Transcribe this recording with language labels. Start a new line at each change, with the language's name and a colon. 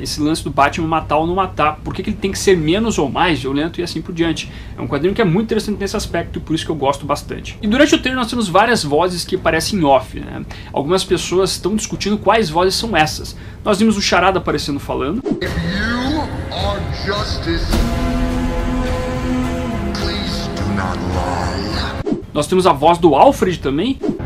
Portuguese: Esse lance do Batman matar ou não matar, por que ele tem que ser menos ou mais violento e assim por diante. É um quadrinho que é muito interessante nesse aspecto, por isso que eu gosto bastante. E durante o treino nós temos várias vozes que parecem off, né? Algumas pessoas estão discutindo quais vozes são essas. Nós vimos o Charada aparecendo falando.
English: If you are justice, please do not lie.
Portuguese: Nós temos a voz do Alfred também.